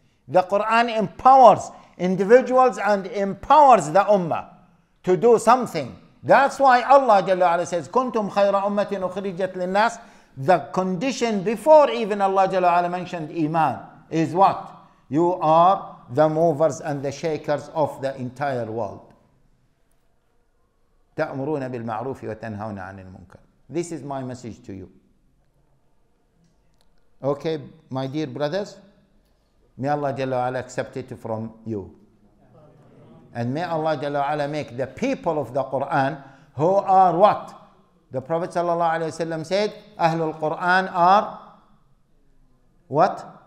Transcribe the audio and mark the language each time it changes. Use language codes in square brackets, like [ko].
[en] The Quran empowers individuals and empowers the ummah to do something. That's why Allah Jalla wa Ala says, [ar] "Kuntum khayra ummatin ukhrijat linnas." [en] The condition before even Allah Jalla wa Ala mentioned iman is what? You are the movers and the shakers of the entire world. [ar] تأمرون بالمعروف وتنهون عن المنكر. [en] This is my message to you. Okay, my dear brothers, may Allah Jalla wa Ala accept it from you. And may Allah Jalla wa Ala make the people of the Quran who are what? The Prophet Sallallahu Alaihi Wasallam said, Ahlul Quran are what?